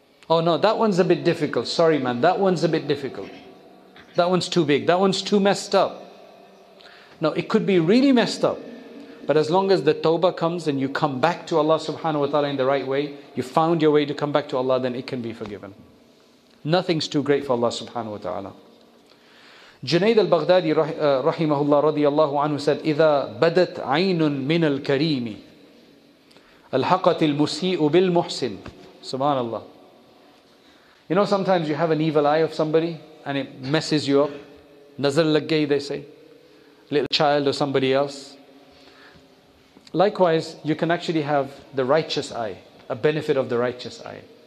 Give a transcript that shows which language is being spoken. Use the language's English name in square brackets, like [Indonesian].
[English] Oh no, that one's a bit difficult. Sorry man, that one's a bit difficult. That one's too big. That one's too messed up. No, it could be really messed up. But as long as the tawbah comes and you come back to Allah subhanahu wa ta'ala in the right way, you found your way to come back to Allah, then it can be forgiven. Nothing's too great for Allah subhanahu wa ta'ala. Junaid al-Baghdadi rahimahullah radiyallahu anhu said, [Arabic] إِذَا بَدَتْ عَيْنٌ مِنَ الْكَرِيمِ أَلْحَقَتِ الْمُسِيءُ بِالْمُحْسِنِ. [English] Subhanallah. You know, sometimes you have an evil eye of somebody and it messes you up. Nazar laggay, they say. Little child or somebody else. Likewise, you can actually have the righteous eye, a benefit of the righteous eye.